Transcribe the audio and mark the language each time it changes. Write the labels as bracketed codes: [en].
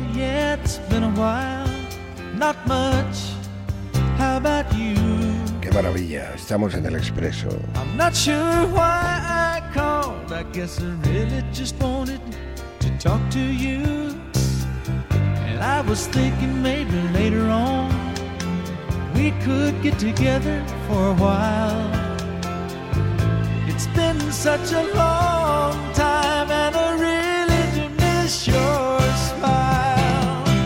[en] Yeah, it's been a while, not much. How about you? [es] Qué maravilla, estamos en el expreso. [en] I'm not sure why I called. I guess I really just wanted to talk to you. And I was thinking maybe later on we could get together for a while. It's been such a long time, and I really do miss your smile.